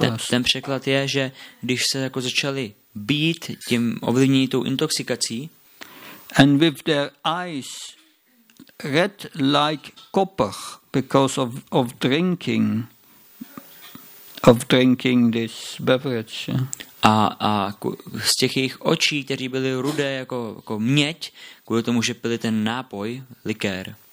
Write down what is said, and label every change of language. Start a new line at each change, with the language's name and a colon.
Czech: Ten překlad je, že když se jako začali být tím ovlivnění tou intoxikací,
English: and with their eyes red like copper because of drinking this beverage.
Czech: A z těch jejich očí, kteří byli rudé jako měď, kvůli tomu, že pili ten nápoj, likér.